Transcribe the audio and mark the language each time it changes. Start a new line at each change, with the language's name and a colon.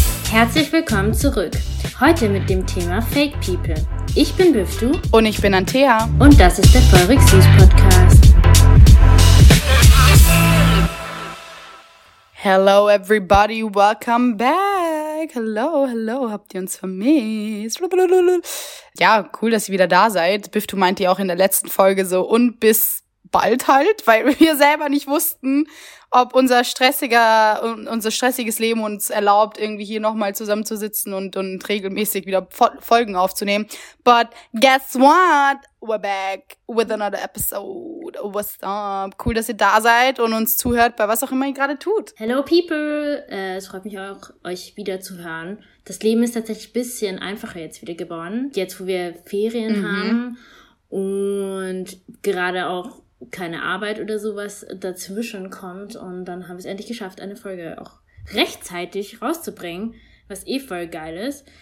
German: Herzlich willkommen zurück. Heute mit dem Thema Fake People. Ich bin Büftu. Und ich bin Anthea. Und das ist der Feurig Süß Podcast.
English: Hello everybody, welcome back. Hello, hello,
German: habt ihr uns vermisst? Ja, cool, dass ihr wieder da seid. Büftu meinte ja auch in der letzten Folge so, und bis bald halt, weil wir selber nicht wussten, ob unser stressiges Leben uns erlaubt, irgendwie hier nochmal zusammenzusitzen und regelmäßig wieder Folgen aufzunehmen.
English: But guess what? We're back with another episode. What's up?
German: Cool, dass ihr da seid und uns zuhört, bei was auch immer ihr gerade tut.
English: Hello people.
German: Es freut mich auch, euch wieder zu hören. Das Leben ist tatsächlich ein bisschen einfacher jetzt wieder geworden. Jetzt, wo wir Ferien haben und gerade auch keine Arbeit oder sowas dazwischen kommt, und dann haben wir es endlich geschafft, eine Folge auch rechtzeitig rauszubringen, was eh voll geil ist.